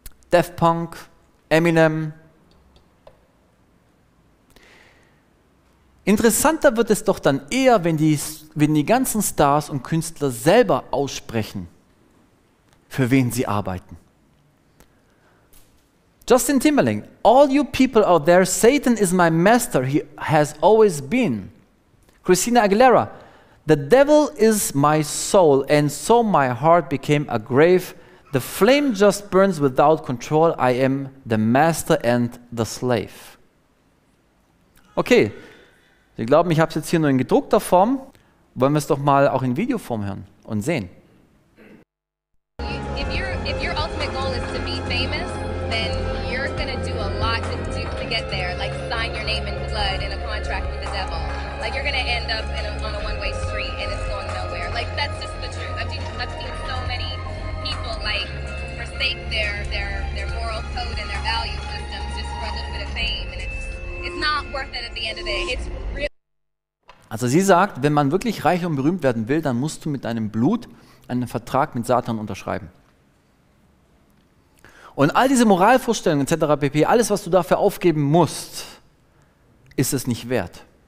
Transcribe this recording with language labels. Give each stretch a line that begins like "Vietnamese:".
English: Daft Punk, Eminem.
German: Interessanter wird es doch dann eher, wenn die ganzen Stars und Künstler selber aussprechen, für wen sie arbeiten.
English: Justin Timberlake, all you people out there, Satan is my master, he has always been. Christina Aguilera, the devil is my soul and so my heart became a grave. The flame just burns without control, I am the master and the slave.
German: Okay, Sie glauben, ich habe es jetzt hier nur in gedruckter Form. Wollen wir es doch mal auch in Videoform hören und sehen.
English: If your ultimate goal is to be famous, then you're going to do a lot to get there, like sign your name in blood in a contract with the devil. Like you're going to end up on a one-way street and it's going nowhere. Like that's just the truth. I've seen so many people like forsake their moral code and their value systems just for a little bit of fame, and it's not worth it at the end of the day. It's really.
German: Also sie sagt, wenn man wirklich reich und berühmt werden will, dann musst du mit deinem Blut einen Vertrag mit Satan unterschreiben. Und all diese Moralvorstellungen etc. pp., alles, was du dafür aufgeben musst, ist es nicht wert.